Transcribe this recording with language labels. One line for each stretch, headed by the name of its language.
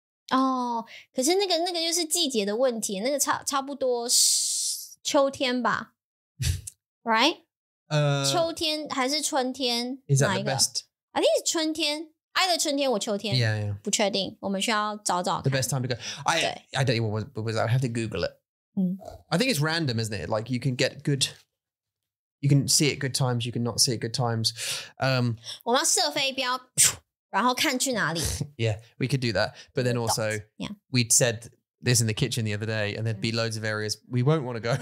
Chinese: Oh, 可是那个就是季节的问题, 那个差不多秋天吧? Right? 秋天还是春天?
English: Is that the best? I think it's
Chinese: 春天.
English: Either
Chinese: 春天或秋天.
English: Yeah, yeah.
Chinese: 不确定, 我们需要找找看.
English: The best time to go. I don't even know what it was. I have to Google it. I think it's random, isn't it? Like, you can get good... You can see it good times, you can not see it good times.
Chinese: 我们要设飞镖, 然后看去哪里?
English: Yeah, we could do that. But then also, yeah. We'd said this in the kitchen the other day, and there'd be loads of areas we won't want to go.